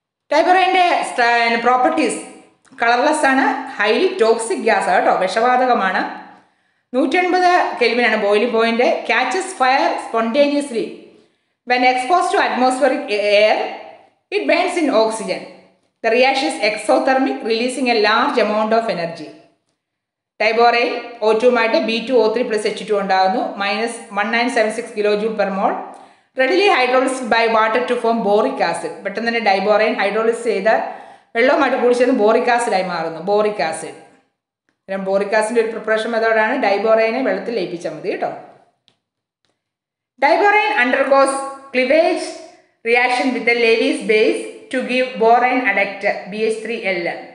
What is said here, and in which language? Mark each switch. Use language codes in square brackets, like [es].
[ml] ഡൈബോറൈൻ്റെ properties colourless ആണ്, highly toxic gas ആണ് കേട്ടോ, വിഷവാതകമാണ്. 180 കെൽവിനാണ് boiling point. [en] Catches fire spontaneously when expose to atmospheric air. It burns in oxygen. The reaction is exothermic, releasing a large amount of energy. [ml] Diborane O2 B2O3+H2 ഉണ്ടാകുന്നു, -1976 kJ/mol. [en] Readily hydrolyse by water to form boric acid. [ml] പെട്ടെന്ന് തന്നെ diborane hydrolysis ചെയ്ത് വെള്ളവുമായിട്ട് കൂടി ചേർന്ന് boric ആസിഡായി മാറുന്നു. Boric acid, ബോറിക്കാസിൻ്റെ ഒരു preparation മെത്തോഡാണ് ഡൈബോറൈനെ വെള്ളത്തിൽ ലയിപ്പിച്ചാൽ മതി കേട്ടോ. [en] Diborane undergoes cleavage reaction with a Lewis base to give borane adductor BH3L.